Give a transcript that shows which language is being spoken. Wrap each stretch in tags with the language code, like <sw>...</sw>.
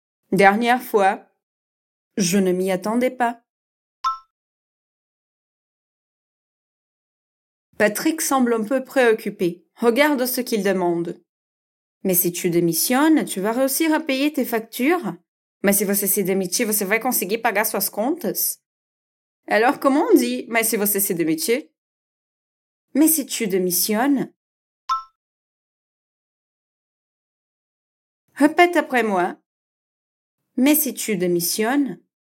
<fr>Dernière fois. Je ne m'y attendais pas. Patrick semble un peu préoccupé. Regarde ce qu'il demande. Mais si tu démissionnes, tu vas réussir à payer tes factures?</fr> <pt>Mais si você se demitir, você vai conseguir pagar suas contas?</pt> <fr>Alors comment on dit « mais</fr> <pt>si você se demitir »?</pt> <fr>Mais si tu démissionnes? Répète après moi. Mais si tu démissionnes?</fr>